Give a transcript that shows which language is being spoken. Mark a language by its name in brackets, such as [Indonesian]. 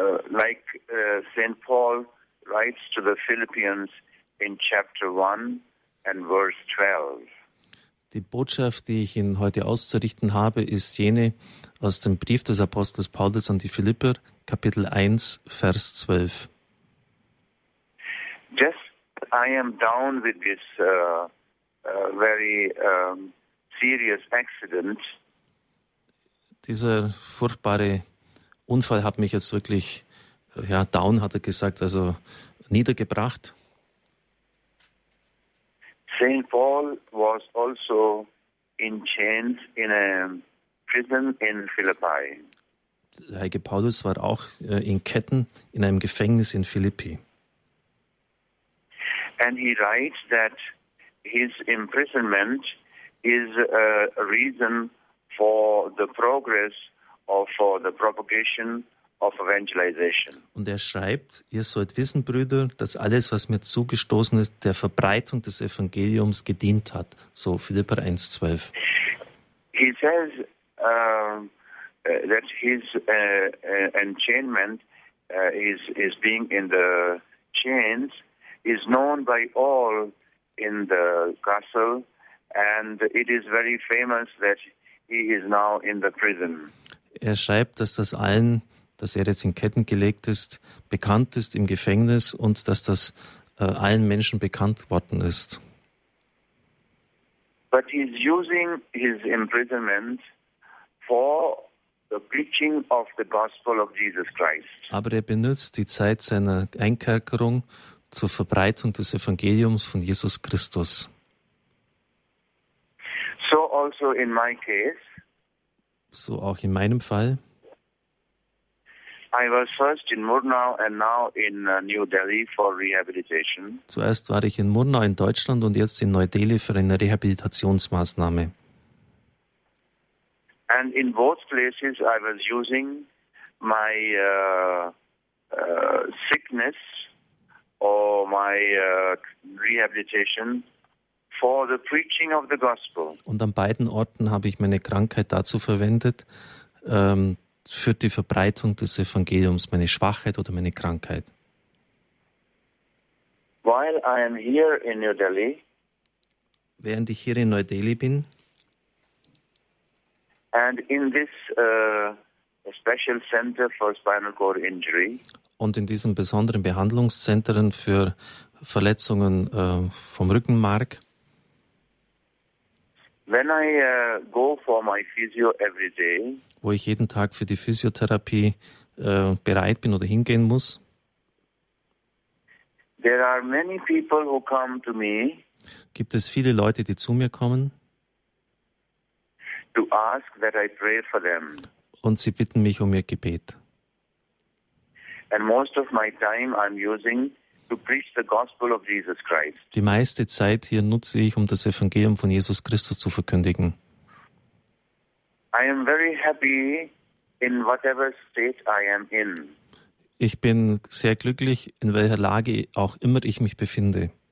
[English] Like St. Paul writes to the Philippians in chapter 1 and verse 12. [German] Die Botschaft, die ich Ihnen heute auszurichten habe, ist jene aus dem Brief des Apostels Paulus an die Philipper, Kapitel 1, Vers 12. [English] Just I am down with this very serious accident. [German] Dieser furchtbare Unfall hat mich jetzt wirklich, ja, down, hat er gesagt, also niedergebracht. [English] St. Paul was also in chains in a prison in Philippi. [German] Der Heilige Paulus war auch in Ketten in einem Gefängnis in Philippi. [English] And he writes that his imprisonment is a reason for the progress or for the propagation of evangelization. [German] Und er schreibt, ihr sollt wissen, Brüder, dass alles, was mir zugestoßen ist, der Verbreitung des Evangeliums gedient hat. So Philipper 1,12. [English] He says that his enchainment is being in the chains is known by all in the castle, and it is very famous that he is now in the prison. [German] Er schreibt, dass das allen, dass er jetzt in Ketten gelegt ist, bekannt ist im Gefängnis und dass das allen Menschen bekannt worden ist. [English] But he's using his imprisonment for the preaching of the gospel of Jesus Christ. [German] Aber er benutzt die Zeit seiner Einkerkerung zur Verbreitung des Evangeliums von Jesus Christus. [English] So also in my case. [German] So auch in meinem Fall. [English] I was first in Murnau and now in New Delhi for rehabilitation. [German] Zuerst war ich in Murnau in Deutschland und jetzt in Neu-Delhi für eine Rehabilitationsmaßnahme. [English] And in both places I was using my sickness or my rehabilitation for the preaching of the gospel. [German] Und an beiden Orten habe ich meine Krankheit dazu verwendet, für die Verbreitung des Evangeliums, meine Schwachheit oder meine Krankheit. [English] While I am here in New Delhi, [German] während ich hier in Neu-Delhi bin, [English] and in this special center for spinal cord injury, [German] und in diesem besonderen Behandlungszentren für Verletzungen vom Rückenmark, [English] when I go for my physio every day, [German] wo ich jeden Tag für die Physiotherapie bereit bin oder hingehen muss, [English] there are many people who come to me, [German] gibt es viele Leute, die zu mir kommen, [English] to ask that I pray for them, [German] und sie bitten mich um ihr Gebet. [English] And most of my time I'm using to preach the gospel of Jesus Christ. [German] Die meiste Zeit hier nutze ich, um das Evangelium von Jesus Christus zu verkündigen. [English] I am very happy in whatever state I am in. [German] Ich bin sehr glücklich, in welcher Lage auch immer ich mich befinde.